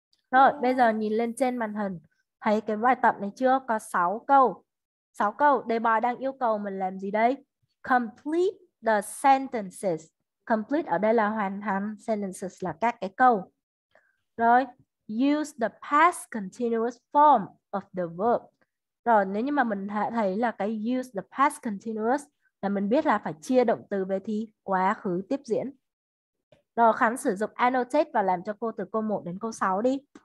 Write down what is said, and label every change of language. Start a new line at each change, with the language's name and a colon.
Vietnamese: Rồi, bây giờ nhìn lên trên màn hình. Thấy cái bài tập này chưa? Có 6 câu. 6 câu. Đề bài đang yêu cầu mình làm gì đây?
English: Complete the sentences.
Vietnamese: Complete ở đây là hoàn thành. Sentences là các cái câu.
English: Rồi, use the past continuous form of the verb.
Vietnamese: Rồi, nếu như mà mình thấy là cái
English: use the past continuous
Vietnamese: là mình biết là phải chia động từ về thì quá khứ tiếp diễn. Rồi, Khánh sử dụng annotate và làm cho cô từ câu 1 đến câu 6 đi.